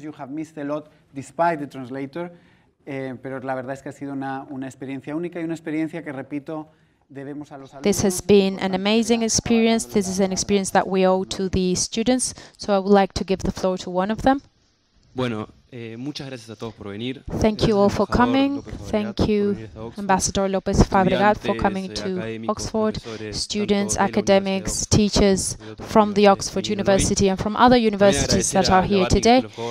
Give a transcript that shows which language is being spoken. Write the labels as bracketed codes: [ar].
[en] You have missed a lot despite the translator. [es] Pero la verdad es que ha sido una experiencia única y una experiencia que repito debemos a los alumnos. [en] This has been an amazing experience. This is an experience that we owe to the students. So I would like to give the floor to one of them. [es] Bueno, Muchas gracias a todos por venir. [en] Thank you all for coming. Thank you, Ambassador López Fabregat, for coming to Oxford. Students, academics, teachers from the Oxford University and from other universities that are here today.